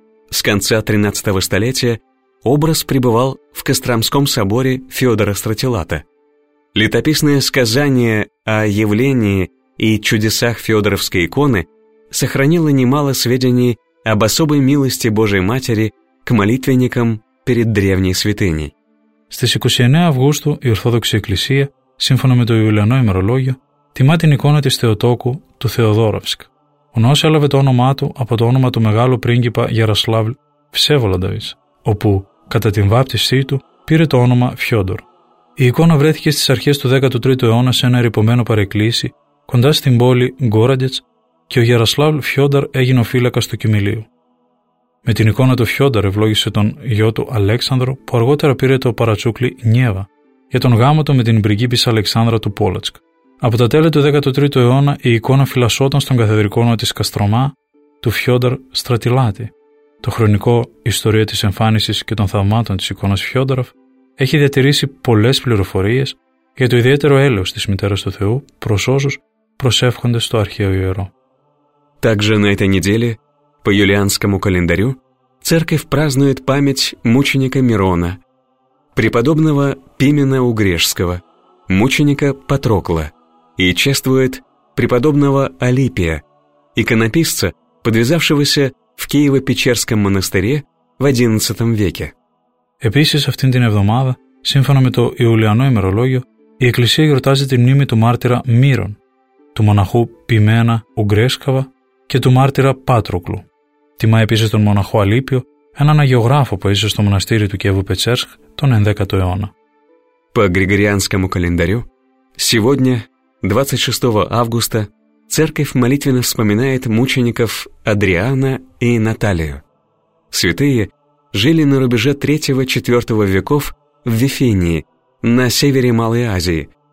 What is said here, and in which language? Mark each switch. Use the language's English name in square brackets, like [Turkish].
[Russian] С конца XIII столетия образ пребывал в Костромском соборе Федора Стратилата. Летописное сказание о явлении и чудесах Федоровской иконы сохранило немало сведений об особой милости Божией Матери к молитвенникам перед древней святыней. [Greek] Στις 29 Αυγούστου η Ορθόδοξη Εκκλησία, σύμφωνα με το Ιουλιανό ημερολόγιο, τιμά την εικόνα της Θεοτόκου του Θεοδόραυσκ. Ο ναός έλαβε το όνομά του από το όνομα του μεγάλου πρίγκιπα Γιαρασλάβλ Φσέβολανταβης, όπου, κατά την βάπτισή του, πήρε το όνομα Φιόντορ. Η εικόνα βρέθηκε στις αρχές του 13ου αιώνα σε ένα ερυπωμένο παρεκκλήσι, κοντά στην πόλη Γκόραντιτς, και ο Γιαρασλάβλ Φιόντορ έγινε ο φύλακας του Κοιμηλίου. Με την εικόνα του Φιόντορ ευλόγησε τον γιο του Αλέξανδρο, που αργότερα πήρε το παρατσούκλι Νιέβα, για τον γάμο του με την πριγκίπισσα Αλεξάνδρα του Πόλατσκ. Από τα τέλη του 13ου αιώνα η εικόνα φυλασσόταν στον καθεδρικό ναό της Καστρομά του Φιόντορ Στρατιλάτη. Το χρονικό «Ιστορία της εμφάνισης και των θαυμάτων της εικόνας Φιόντοροφ» έχει διατηρήσει πολλές πληροφορίες για το ιδιαίτερο έλεος της Μητέρας του Θεού προς όσους προσεύχονται στο αρχαίο ιερό. [Russian] Также на этой неделе, по юлианскому календарю, церковь празднует память мученика Мирона, преподобного Пимена Угрешского, мученика Патрокла, и чествует преподобного Алипия, иконописца, подвязавшегося в Киево-Печерском монастыре в XI веке. [Greek] Επίσης, αυτήν την εβδομάδα, σύμφωνα με το Ιουλιανό ημερολόγιο, η Εκκλησία γιορτάζει τη μνήμη του μάρτυρα Μύρων, του μοναχού Πιμένα Ουγκρέσκαβα και του μάρτυρα Πάτροκλου. Τιμά επίσης τον μοναχό Αλίπιο, έναν αγιογράφο που έζησε στο μοναστήρι του Κιέβου-Πετσέρσκ τον 11ο αιώνα. [Russian] По григорианскому календарю, сегодня, 26 августа, церковь молитвенно вспоминает мучеников Адриана и Наталию. Святые жили на рубеже 3-4 веков в Вифинии, на севере Малой Азии,